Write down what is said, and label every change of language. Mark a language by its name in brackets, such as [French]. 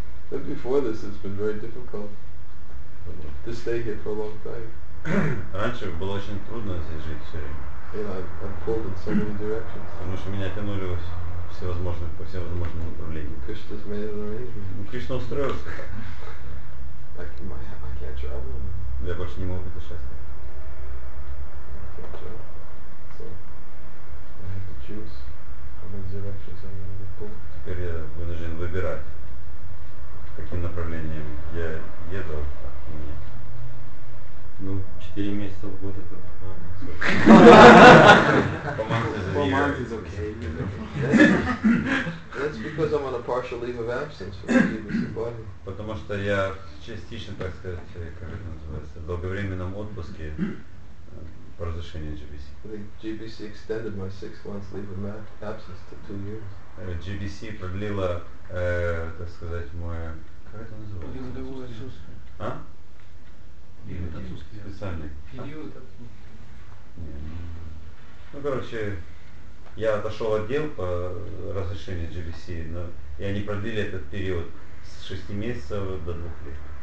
[English] But before this, it's been very difficult to stay here for a long time. [Russian] Раньше было очень трудно здесь жить все время. [English] I'm pulled in so many directions. [Russian] Потому что меня тянули по всевозможным направлениям. [English] Krishna's made an arrangement. [Russian] Krishna устроился. [English] I can't travel. [Russian] Я больше не могу путешествовать. [English] I can't travel. So I have to choose how many directions I'm going to be pulled. [Russian] Теперь я вынужден выбирать, каким направлением я еду, а каким нет. Ну, 4 месяца в год это нормально. [English] Four months is okay. That's because I'm on a partial leave of absence from the Kibbutz. [Russian] Потому что я частично, так сказать, как это называется, в долговременном отпуске по разрешению GBC. [English] The GBC extended my 6 months leave of absence to 2 years. [Russian] GBC продлила, так сказать, мое... Как это называется? Годовое отсутствие. А? Период специальный. Период. Ну, короче, я отошел от дел по разрешению GBC, но и они продлили этот период с 6 месяцев до 2 лет.